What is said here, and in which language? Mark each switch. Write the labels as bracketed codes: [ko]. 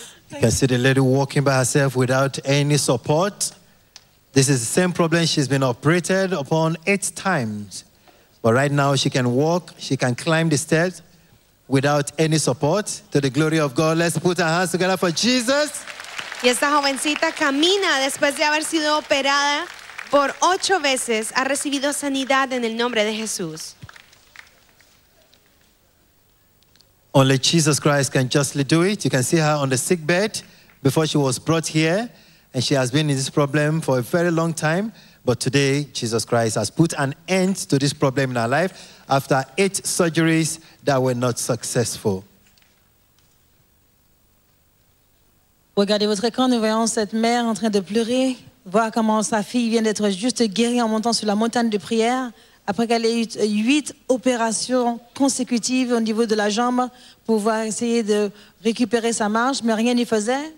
[en] You can see the lady walking by herself without any support. This is the same problem she's been operated upon 8 times. But right now she can walk, she can climb the stairs without any support. To the glory of God, let's put our hands together for Jesus. [es] Y esta jovencita camina después de haber sido operada por 8 veces. Ha recibido sanidad en el nombre de Jesús. [en] Only Jesus Christ can justly do it. You can see her on the sick bed before she was brought here, and she has been in this problem for a very long time. But today, Jesus Christ has put an end to this problem in her life after 8 surgeries that were not successful. [fr] Regardez votre écran, nous voyons cette mère en train de pleurer, voir comment sa fille vient d'être juste guérie en montant sur la montagne de prière. Après qu'elle ait eu 8 opérations consécutives au niveau de la jambe pour pouvoir essayer de récupérer sa marche, mais rien n'y faisait.